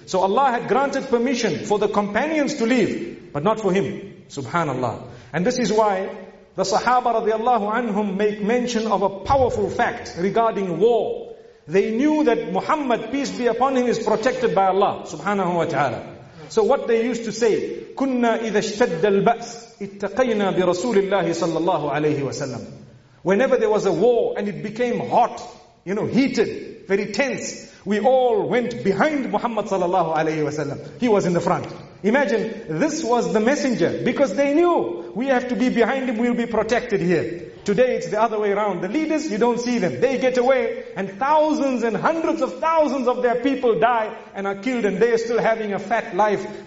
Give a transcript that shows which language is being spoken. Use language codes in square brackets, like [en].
[en] So Allah had granted permission for the companions to leave, but not for him. Subhanallah. And this is why the Sahaba radiallahu anhum make mention of a powerful fact regarding war. They knew that Muhammad, peace be upon him, is protected by Allah subhanahu wa ta'ala. So what they used to say, [ar] كُنَّا إِذَا اشْتَدَّ الْبَأْسِ اِتَّقَيْنَا بِرَسُولِ اللَّهِ صَلَّى اللَّهُ عَلَيْهِ وَسَلَّمُ. [en] Whenever there was a war and it became hot, you know, heated, very tense, we all went behind Muhammad sallallahu alayhi wasallam. He was in the front. Imagine, this was the messenger, because they knew, we have to be behind him, we'll be protected here. Today it's the other way around. The leaders, you don't see them. They get away, and thousands and hundreds of thousands of their people die and are killed, and they are still having a fat life.